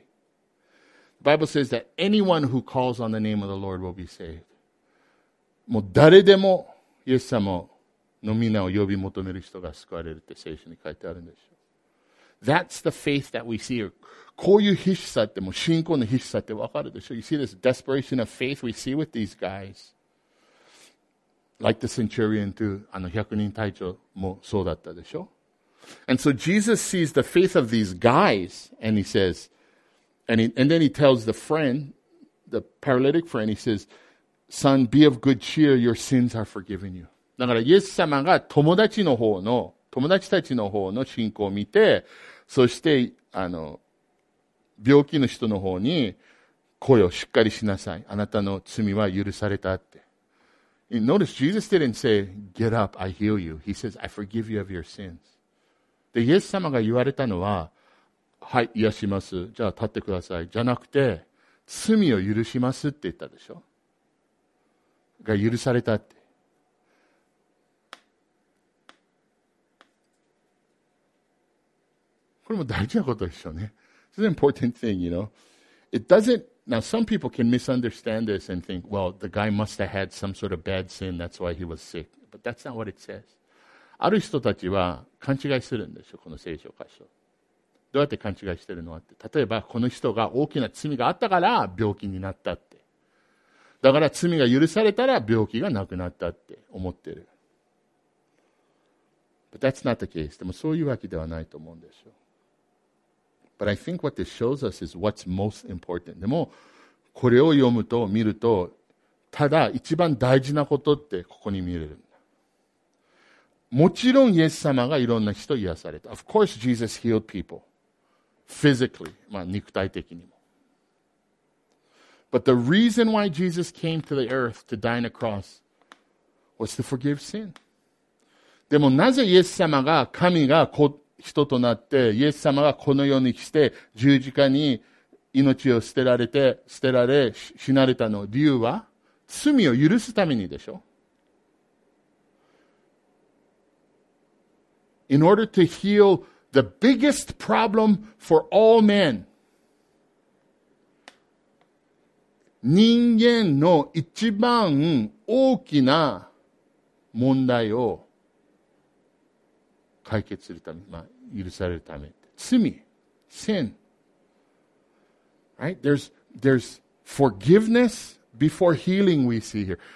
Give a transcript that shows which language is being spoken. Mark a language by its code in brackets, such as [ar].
[en] The Bible says that anyone who calls on the name of the Lord will be saved. [ja] もう誰でもイエス様の皆を呼び求める人が救われるって聖書に書いてあるんでしょ。 [en] That's the faith that we see. [ja] こういう必死さってもう信仰の必死さってわかるでしょ。 [en] You see this desperation of faith we see with these guys. Like the centurion too. [ja] あの百人隊長もそうだったでしょ。 [en] And so Jesus sees the faith of these guys and he says, and then he tells the friend, the paralytic friend, he says, son, be of good cheer, your sins are forgiven you. [ja] だからイエス様が友達の方の、友達たちの方の信仰を見て、そして、あの、病気の人の方に声をしっかりしなさい。あなたの罪は許されたって。 [en] And、notice Jesus didn't say, get up, I heal you. He says, I forgive you of your sins. [ja] で、イエス様が言われたのは、はい、癒します。じゃあ立ってください。じゃなくて、罪を許しますって言ったでしょ。が許されたって。これも大事なことでしょうね。 [en] This is an important thing, you know. It doesn't, now some people can misunderstand this and think, well, the guy must have had some sort of bad sin, that's why he was sick. But that's not what it says. [ja] ある人たちは勘違いするんですよ、この聖書箇所。どうやって勘違いしてるのって。例えば、この人が大きな罪があったから病気になったって。だから罪が許されたら病気がなくなったって思ってる。 [en] But that's not the case. [ja] でもそういうわけではないと思うんですよ。 [en] But I think what this shows us is what's most important. [ja] でも、これを読むと、見ると、ただ一番大事なことってここに見れる。もちろんイエス様がいろんな人を癒された。 [en] Of course Jesus healed people. Physically. [ja] まあ肉体的にも。 [en] But the reason why Jesus came to the earth to die on a cross was to forgive sin. [ja] でもなぜイエス様が神が人となって、イエス様がこの世に来て十字架に命を捨てられ死なれたの理由は罪を許すためにでしょ。 [en] In order to heal the biggest problem for all men. [ja] 人間の一番大きな問題を解決するため、まあ、許されるため。 [en] 罪、sin. Right? There's forgiveness before healing we see here.